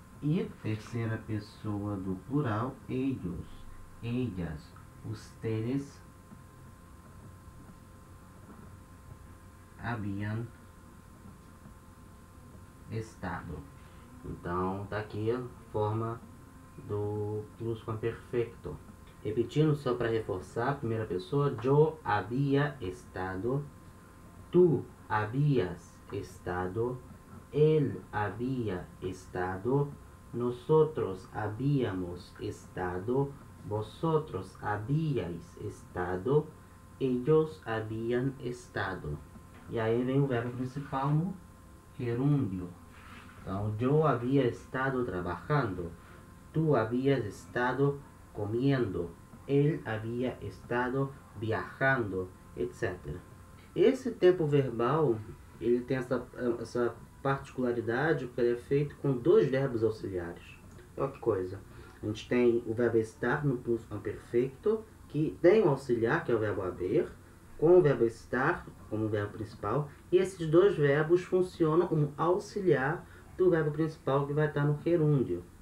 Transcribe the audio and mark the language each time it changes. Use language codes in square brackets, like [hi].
[pt] E terceira pessoa do plural, [es] ellos, ellas, ustedes habían estado. [pt] Então, tá aqui a forma do plusquamperfeito. Repetindo só para reforçar, primeira pessoa, [es] yo había estado, tú habías estado, él había estado. Nosotros habíamos estado, vosotros habíais estado, ellos habían estado. [pt] E aí vem o verbo principal no gerúndio. Então, [es] yo había estado trabajando, tú habías estado comiendo, él había estado viajando, etc. [pt] Esse tempo verbal, ele tem essa particularidade, porque ele é feito com dois verbos auxiliares. Olha que coisa. A gente tem o verbo estar no plusquamperfeito, que tem o auxiliar, que é o verbo haver, com o verbo estar como verbo principal, e esses dois verbos funcionam como auxiliar do verbo principal que vai estar no gerúndio.